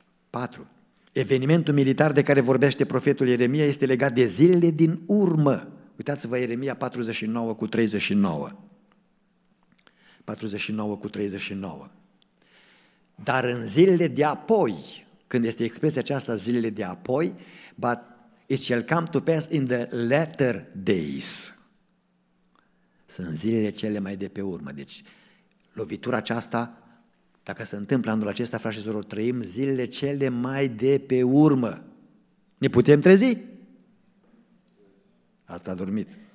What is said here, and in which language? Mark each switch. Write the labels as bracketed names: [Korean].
[Romanian] 4. Evenimentul militar de care vorbește profetul Ieremia este legat de zilele din urmă. Uitați-vă Ieremia 49:39. 49:39. Dar în zilele de apoi, când este expresia aceasta zilele de apoi, [English] It shall come to pass in the latter days. [Romanian] Sunt zilele cele mai de pe urmă. Deci, lovitura aceasta, dacă se întâmplă anul acesta, frate și soră, trăim zilele cele mai de pe urmă. Ne putem trezi? Asta a dormit.